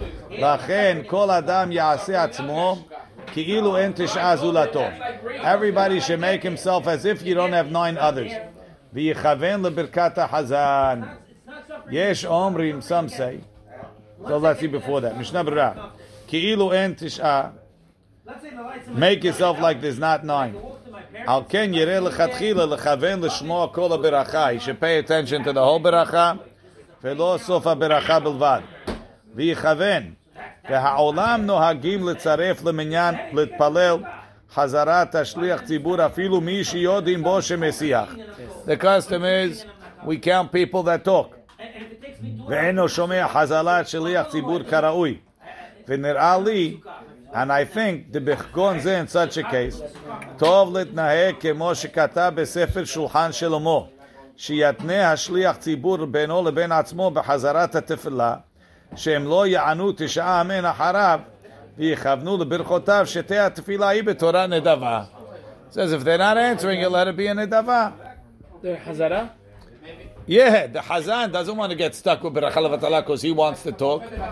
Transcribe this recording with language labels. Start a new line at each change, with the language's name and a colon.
Hebrew: לכן כל אדם יעשה עצמו, כאילו אין תשעה זולתו.
English: Everybody should make himself as if you don't have nine others.
Hebrew: ויכוון לברכת החזן. יש אומרים,
English: some say, so let's see before that,
Hebrew: משנה ברירה, כאילו אין תשעה,
English: make yourself like there's not nine.
Hebrew: על כן יראה לכתחילה לכוון לשמוע כל הברכה,
English: you should pay attention to the whole
Hebrew: ברכה, ולא סוף הברכה בלבד. ויכוון, והעולם נוהגים לצרף למניין, להתפלל, חזרה תשליח ציבור אפילו מי שיודעים בו שמסיח.
English: The custom is, we count people that talk.
Hebrew: ואינו שומע חזלה שליח ציבור כראוי. ונראה לי,
English: and I think,
Hebrew: דבחגון זה
English: in such a case,
Hebrew: טוב להתנהג כמו שכתב בספר שולחן שלמה, שיתנה השליח ציבור בינו לבין עצמו בחזרת התפילה, שהם לא יענו תשעה אמן אחריו, ויכוונו לברכותיו שתי התפילה היא בתורה נדבה.
English: Says, if they're not answering, you'll let it be a נדבה. The Chazara? Yeah, the Chazan doesn't want to get stuck with ברכה לבטלה because he wants to talk.